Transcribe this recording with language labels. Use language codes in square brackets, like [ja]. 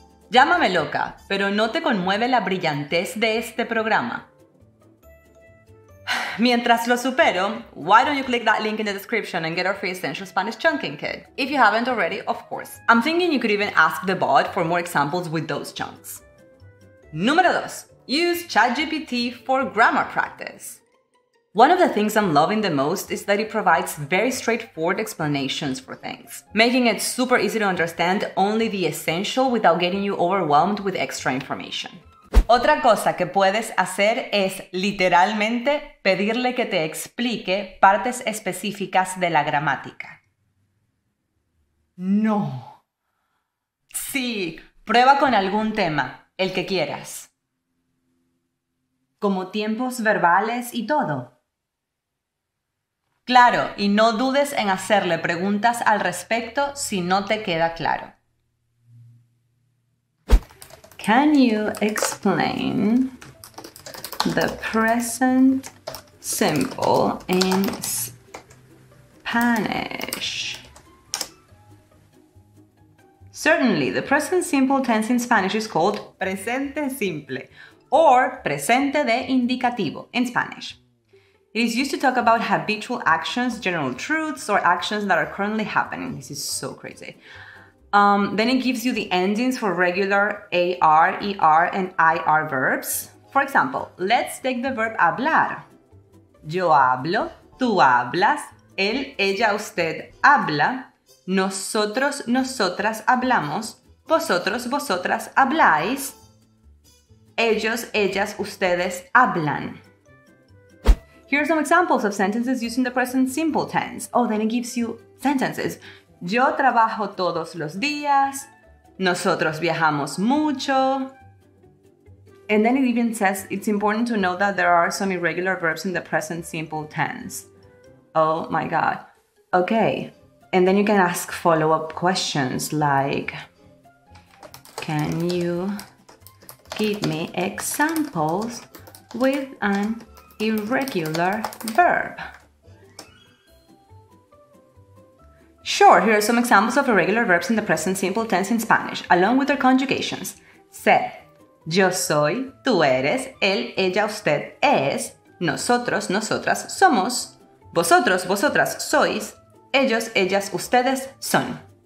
[es] Llámame loca, pero no te conmueve la brillantez de este programa. Mientras lo supero, [en] why don't you click that link in the description and get our free essential Spanish chunking kit? If you haven't already, of course. I'm thinking you could even ask the bot for more examples with those chunks. [es] Número 2. [en] Use ChatGPT for grammar practice. One of the things I'm loving the most is that it provides very straightforward explanations for things, making it super easy to understand only the essential without getting you overwhelmed with extra information. [es] Otra cosa que puedes hacer es literalmente pedirle que te explique partes específicas de la gramática. No. Sí, prueba con algún tema, el que quieras. Como tiempos verbales y todo. Claro, y no dudes en hacerle preguntas al respecto si no te queda claro. [en] Can you explain the present simple in Spanish? Certainly, the present simple tense in Spanish is called presente simple or presente de indicativo in Spanish. It is used to talk about habitual actions, general truths, or actions that are currently happening. This is so crazy. Then it gives you the endings for regular AR, ER, and IR verbs. For example, let's take the verb hablar. [es] Yo hablo, tú hablas, él, ella, usted habla, nosotros, nosotras hablamos, vosotros, vosotras habláis, ellos, ellas, ustedes hablan. [en] Here are some examples of sentences using the present simple tense. Oh, then it gives you sentences. [es] Yo trabajo todos los días. Nosotros viajamos mucho. [en] And then it even says it's important to know that there are some irregular verbs in the present simple tense. Oh my God. Okay. And then you can ask follow-up questions like, can you give me examples with an irregular verb? Sure, here are some examples of irregular verbs in the present simple tense in Spanish, along with their conjugations. [es] Se, yo soy, tú eres, él, ella, usted es, nosotros, nosotras somos, vosotros, vosotras sois, ellos, ellas, ustedes son.